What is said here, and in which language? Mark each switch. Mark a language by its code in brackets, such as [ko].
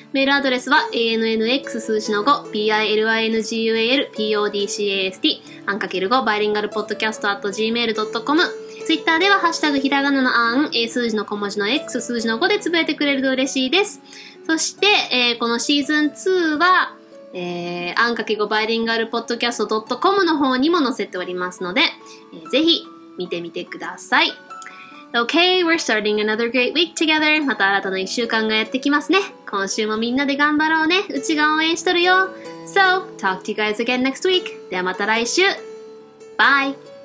[ja] メールアドレスは ANNX5PILINGUALPODCAST ANN×5BILINGALPODCAST@gmail.com Twitter ではハッシュタグひらがなのアン、数字の小文字の X、数字の5でつぶえてくれると嬉しいです。そして、このシーズン2は、ANN×5BILINGALPODCAST.com の方にも載せておりますので、ぜひ見てみてください。 [en] Okay, we're starting another great week together. [ja] また新たな一週間がやってきますね。今週もみんなで頑張ろうね。うちが応援しとるよ。 [en] So, talk to you guys again next week. [ja] ではまた来週。Bye!